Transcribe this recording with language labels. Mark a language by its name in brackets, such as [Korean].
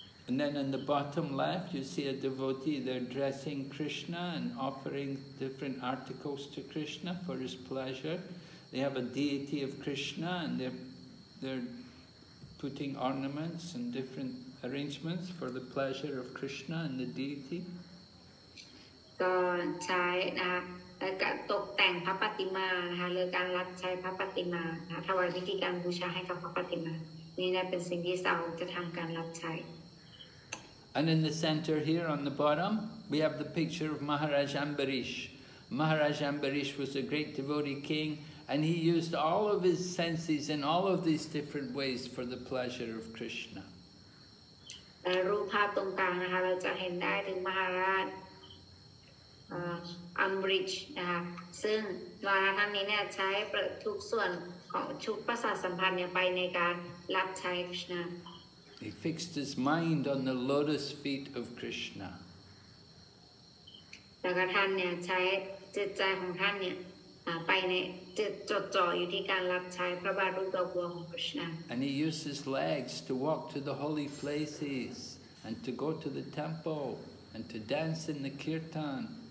[English] And then in the bottom left you see a devotee they're dressing Krishna and offering different articles to Krishna for his pleasure they have a deity of Krishna and they're putting ornaments and different arrangements for the pleasure of Krishna and the deity [Thai] ก็ใช้นะแล้วก็ตกแต่งพระปฏิมานะคะหรือการรับใช้พระปฏิมาถวายวิธีการบูชาให้กับพระปฏิมานี่นะเป็นสิ่งที่เราจะทำการรับใช้ [English] And in the center here on the bottom we have the picture of Maharaj Ambarish Maharaj Ambarish was a great devotee king and he used all of his senses in all of these different ways for the pleasure of Krishna [Thai] รูปภาพตรงกลางนะคะเราจะเห็นได้ถึงมหาราชAmbridge นะคะซึ่งมหาราชท่านนี้เนี่ยใช้ทุกส่วนของชุดประสาทสัมพันธ์เนี่ยไปในการรับใช้ Krishna [English] He fixed his mind on the lotus feet of Krishna. And he used his legs to walk to the holy places and to go to the temple and to dance in the kirtan.